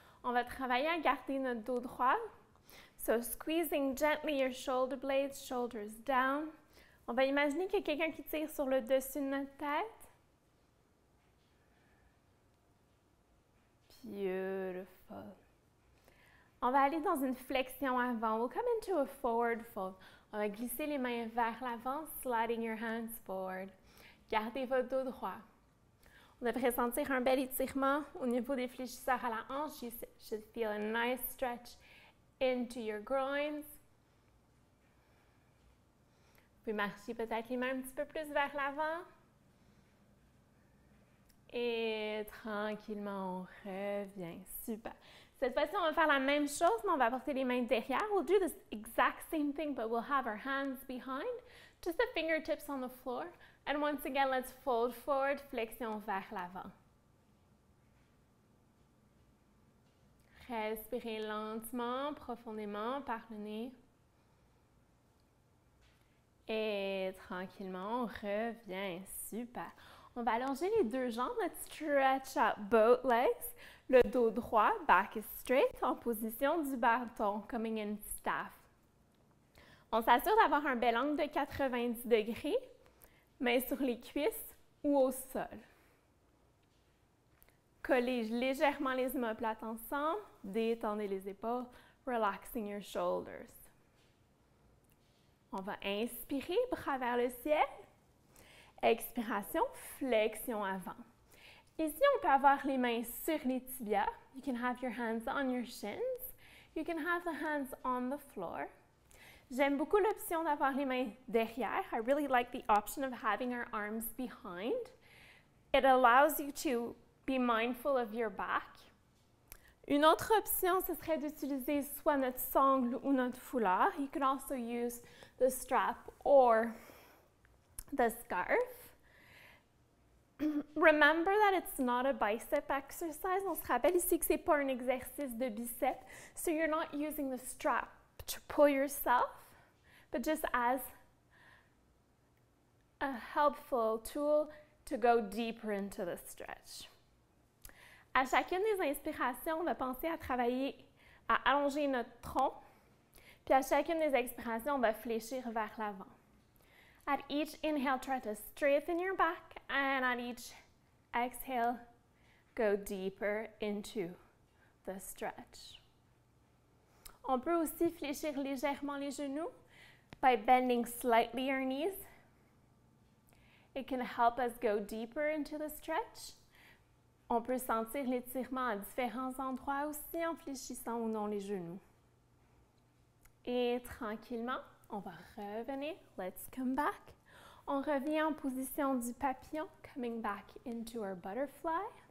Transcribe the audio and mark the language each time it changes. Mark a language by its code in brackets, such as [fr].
[fr] On va travailler à garder notre dos droit. So squeezing gently your shoulder blades, shoulders down. On va imaginer qu'il y a quelqu'un qui tire sur le dessus de notre tête. [en] Beautiful. [fr] On va aller dans une flexion avant. [en] We'll come into a forward fold. [fr] On va glisser les mains vers l'avant, [en] sliding your hands forward. [fr] Gardez votre dos droit. On devrait sentir un bel étirement au niveau des fléchisseurs à la hanche. [en] You should feel a nice stretch into your groins. [fr] Vous pouvez marcher peut-être les mains un petit peu plus vers l'avant. Et tranquillement, on revient. Super. Cette fois-ci, on va faire la même chose, mais on va porter les mains derrière. [en] We'll do the exact same thing, but we'll have our hands behind. Just the fingertips on the floor. And once again, let's fold forward, [fr] flexion vers l'avant. Respirez lentement, profondément, par le nez. Et tranquillement, on revient. Super. On va allonger les deux jambes. [en] Let's stretch up both legs. [fr] Le dos droit, [en] back is straight, [fr] en position du bâton, [en] coming in staff. [fr] On s'assure d'avoir un bel angle de 90 degrés, mains sur les cuisses ou au sol. Collez légèrement les omoplates ensemble, détendez les épaules, [en] relaxing your shoulders. [fr] On va inspirer, bras vers le ciel. Expiration, flexion avant. Ici, on peut avoir les mains sur les tibias. [en] You can have your hands on your shins. You can have the hands on the floor. [fr] J'aime beaucoup l'option d'avoir les mains derrière. [en] I really like the option of having our arms behind. It allows you to be mindful of your back. [fr] Une autre option, ce serait d'utiliser soit notre sangle ou notre foulard. [en] You can also use the strap or the scarf. Remember that it's not a bicep exercise. [fr] On se rappelle ici que c'est pas un exercice de biceps. [en] So you're not using the strap to pull yourself, but just as a helpful tool to go deeper into the stretch. [fr] À chacune des inspirations, on va penser à travailler, à allonger notre tronc. Puis à chacune des expirations, on va fléchir vers l'avant. [en] At each inhale, try to straighten your back, and at each exhale, go deeper into the stretch. [fr] On peut aussi fléchir légèrement les genoux [en] by bending slightly your knees. It can help us go deeper into the stretch. [fr] On peut sentir l'étirement à différents endroits aussi en fléchissant ou non les genoux. Et tranquillement, on va revenir. [en] Let's come back. [fr] On revient en position du papillon, [en] coming back into our butterfly.